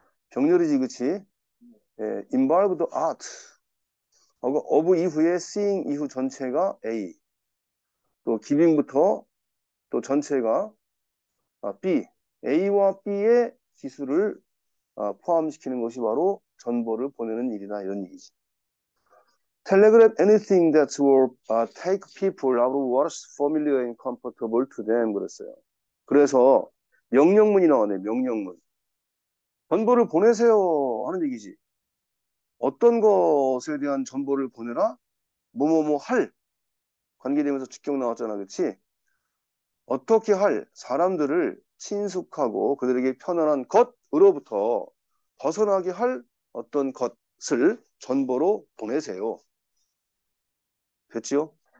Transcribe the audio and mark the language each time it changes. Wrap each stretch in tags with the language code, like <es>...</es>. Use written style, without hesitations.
<ko>병렬이지, 그치? 예,</ko> <en>involve the art of</en> <ko>이후에 seeing 이후 전체가 A, 또 giving부터 또 전체가 B, A와 B의 기술을 포함시키는 것이 바로 전보를 보내는 일이다, 이런 얘기지.</ko> <en>Telegraph anything that will take people out of what's familiar and comfortable to them,</en> <ko>그랬어요. 그래서 명령문이 나오네, 명령문. 전보를 보내세요 하는 얘기지. 어떤 것에 대한 전보를 보내라? 뭐뭐뭐 할. 관계되면서 직격 나왔잖아, 그렇지? 어떻게 할 사람들을 친숙하고 그들에게 편안한 것으로부터 벗어나게 할 어떤 것을 전보로 보내세요. 됐지요?</ko>